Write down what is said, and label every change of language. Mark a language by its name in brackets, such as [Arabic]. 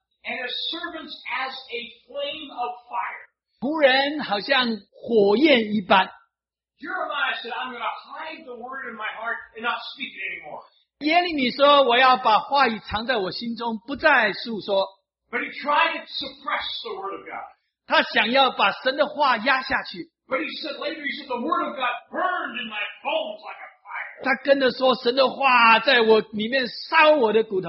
[English] and his servants as a flame of fire. [Chinese] 仆人好像火焰一般, [English] Jeremiah said, I'm going to hide the word in my heart and not speak it anymore. [Chinese] 耶利米说, 我要把话语藏在我心中, 不再述说, [English] but he tried to suppress the word of God. [Chinese] 他想要把神的话压下去, [English] but he said later, he said, the word of God burned in my bones like a [Chinese] 他跟着说神的话在我里面烧我的骨头。